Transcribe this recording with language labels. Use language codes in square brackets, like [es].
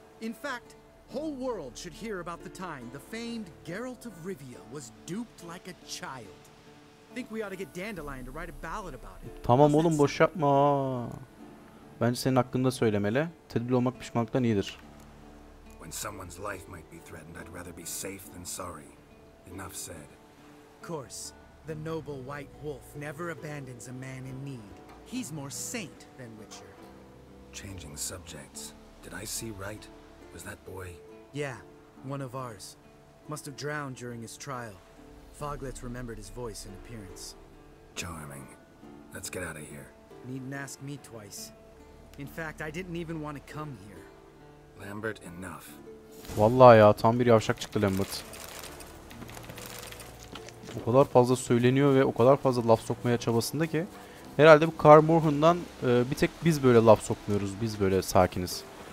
[en] In fact, whole world should hear about the time the famed Geralt of Rivia was duped like a child. Think we ought to get Dandelion to write a ballad about it. [tr] Tamam oğlum boş yapma. Bence senin hakkında söylemeli. Tedbirli olmak pişmanlıktan iyidir. [en] When someone's life might be threatened, I'd rather be safe than sorry. Enough said. Of course, the noble white wolf never abandons a man in need. He's more saint than Witcher. Changing subjects. Did I see right? Was that boy? Yeah, one of ours. Must have drowned during his trial. Foglets remembered his voice and appearance. Charming. Let's get out of here. Needn't ask me twice. In fact, I didn't even want to come here. Lambert, enough. [tr] Vallahi ya, tam bir yavşak çıktı Lambert. O kadar fazla söyleniyor ve o kadar fazla laf sokmaya çabasında ki herhalde bu Carl Morhun'dan bir tek biz böyle laf sokmuyoruz. Biz böyle sakiniz.